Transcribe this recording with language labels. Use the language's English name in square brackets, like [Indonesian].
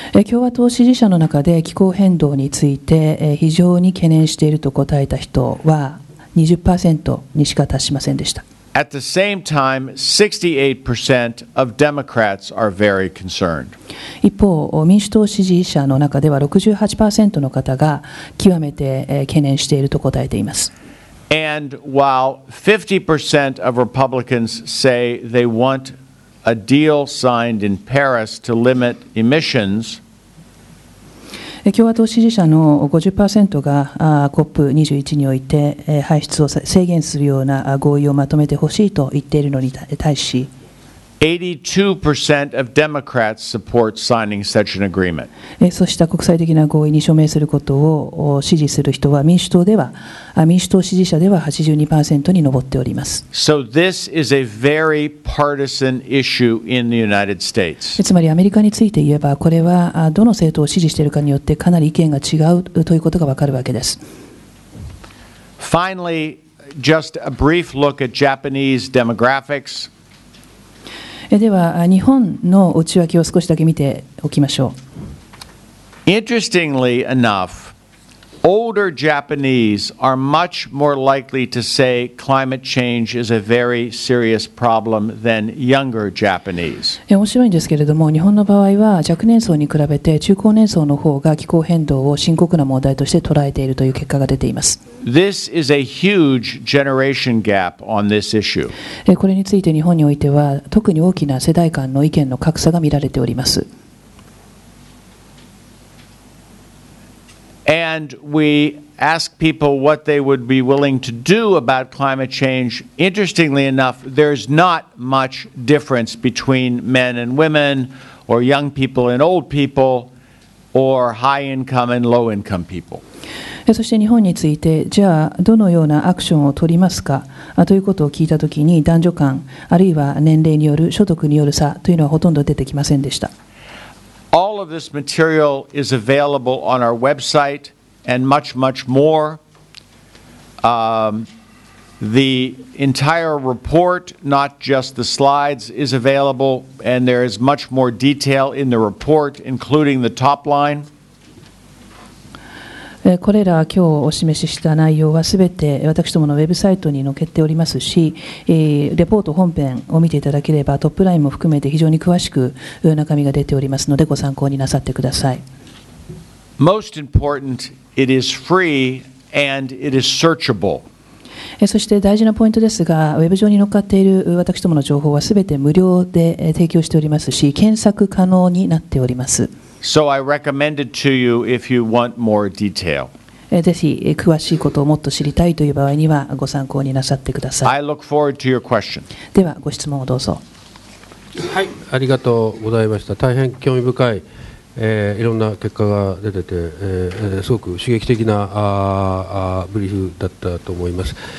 [Japanese] 共和党支持者の中で気候変動について非常に懸念していると答えた人は 20% にしか達しませんでした。 [English] At the same time, 68% of Democrats are very concerned. [Japanese] 一方、民主党支持者の中では 68% の方が極めて懸念していると答えています。 [English] And while 50% of Republicans say they want a deal signed in Paris to limit emissions, [Japanese] 共和党支持者の 50% が COP21 において排出を制限するような合意をまとめてほしいと言っているのに対し、 [English] 82% of Democrats support signing such an agreement. [Japanese] そうした国際的な合意に署名することを支持する人は民主党では、民主党支持者では 82% に上っております。 [English] So this is a very partisan issue in the United States. [Japanese] つまりアメリカについて言えば、これはどの政党を支持しているかによってかなり意見が違うということがわかるわけです。 [English] Finally, just a brief look at Japanese demographics. [Japanese] では日本の内訳を少しだけ見ておきましょう。 [English] Interestingly enough, older Japanese are much more likely to say climate change is a very serious problem than younger Japanese. [Japanese] 面白いんですけれども、日本の場合は若年層に比べて中高年層の方が気候変動を深刻な問題として捉えているという結果が出ています。 [English] This is a huge generation gap on this issue. [Japanese] これについて日本においては特に大きな世代間の意見の格差が見られております。 [English] And we ask people what they would be willing to do about climate change. Interestingly enough, there's not much difference between men and women, or young people and old people. or high income and low income people. [Japanese] そして日本についてじゃあどのようなアクションを取りますかということを聞いたときに男女間あるいは年齢による所得による差というのはほとんど出てきませんでした。 [English] All of this material is available on our website and much, much more. The entire report, not just the slides, is available, and there is much more detail in the report, including the top line. [Japanese] これら今日お示しした内容はすべて私どものウェブサイトに載っておりますし、レポート本編を見ていただければトップラインも含めて非常に詳しく中身が出ておりますのでご参考になさってください。 [English] Most important, it is free and it is searchable. [Japanese] そして大事なポイントですが、ウェブ上に載っかっている私どもの情報はすべて無料で提供しておりますし、検索可能になっております。 [English] So I recommend it to you if you want more detail. [Japanese] ぜひ詳しいことをもっと知りたいという場合にはご参考になさってください。 [English] I look forward to your question. [Japanese] ではご質問をどうぞ。はい、ありがとうございました。大変興味深い。いろんな結果が出てて、すごく刺激的なブリーフだったと思います。